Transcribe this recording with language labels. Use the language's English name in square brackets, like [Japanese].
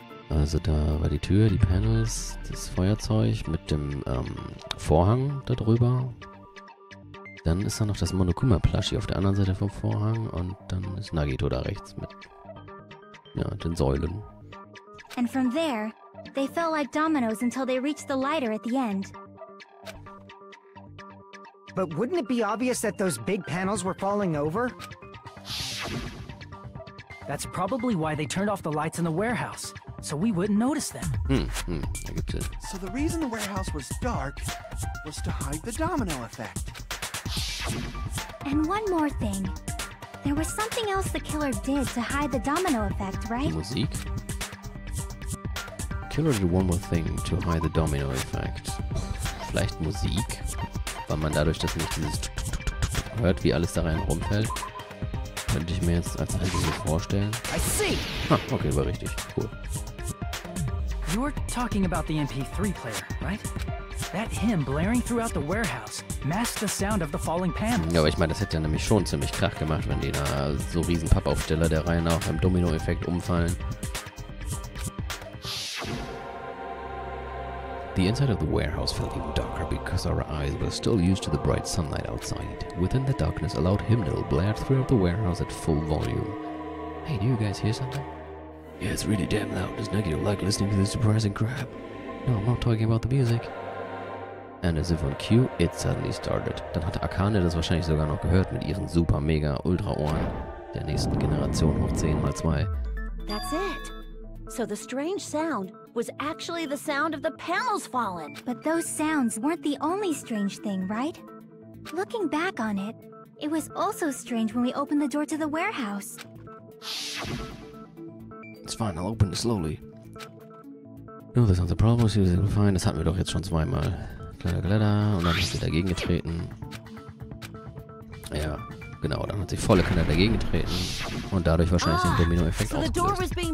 [German] Also da war die Tür, die Panels, das Feuerzeug mit dem Vorhang darüber. Dann ist da noch das Monokuma-Plushie auf der anderen Seite vom Vorhang und dann ist Nagito da rechts mit ja, den Säulen. [English] And from there, they fell like dominoes until they reached the lighter at the end. But wouldn't it be obvious that those big panels were falling over? That's probably why they turned off the lights in the warehouse, so we wouldn't notice them. I get it. So the reason the warehouse was dark was to hide the domino effect. And one more thing. There was something else the killer did to hide the domino effect, right? [German] Musik? [English] Killer did one more thing to hide the domino effect. [German] Vielleicht Musik? Weil man dadurch, dass nicht dieses hört, wie alles da rein rumfällt. Könnte ich mir jetzt als einzige vorstellen. [English] I see. [German] Okay, war richtig. Cool. [English] You're talking about the MP3 player, right? That hymn blaring throughout the warehouse masked the sound of the falling panels. [German] Ja, aber ich meine, das hätte ja nämlich schon ziemlich Krach gemacht, wenn die da so riesen Pappaufsteller der Reihe nach im Domino-Effekt umfallen. [English] The inside of the warehouse felt even darker because our eyes were still used to the bright sunlight outside. Within the darkness, a loud hymnal blared throughout the warehouse at full volume. Hey, do you guys hear something? Yeah, it's really damn loud. Does Nagito like listening to this depressing crap? No, I'm not talking about the music. And as if on cue, it suddenly started. [German] Dann hatte Akane das wahrscheinlich sogar noch gehört mit ihren super mega ultra Ohren der nächsten Generation hoch 10 mal 2. [English] That's it. So the strange sound was actually the sound of the panels falling. But those sounds weren't the only strange thing, right? Looking back on it, it was also strange when we opened the door to the warehouse. It's fine, I'll open it slowly. [German] Oh, das ist unser Problem, das ist fein, das hatten wir doch jetzt schon zweimal. Kleiner Gletter, und dann hat sie dagegen getreten. Ja, genau, dann hat sie volle Kanne dagegen getreten. Und dadurch wahrscheinlich den Domino-Effekt ausgelöst.